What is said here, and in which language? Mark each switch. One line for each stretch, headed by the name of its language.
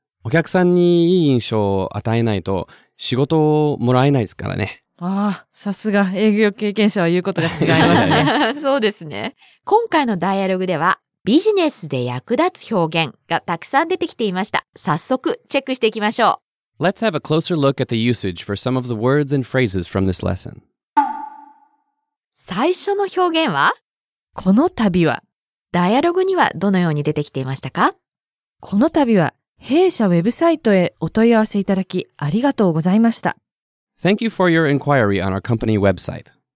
Japanese: お客さんにいい印象を与えないと仕事をもらえないですからね。ああ、さすが営業経験者は言うことが違いますね。そうですね。今回のダイアログではビジネスで役立つ表現がたくさん出てきていました。早速チェックしていきましょう。
English: Let's have a closer look at the usage for some of the words and phrases from this lesson.
Japanese: 最初の表現は? この度は。ダイアログにはどのように出てきていましたか? この度は。弊社ウェブサイトへお問い合わせいただきありがとうございました。
English: Thank you for your inquiry on our company website.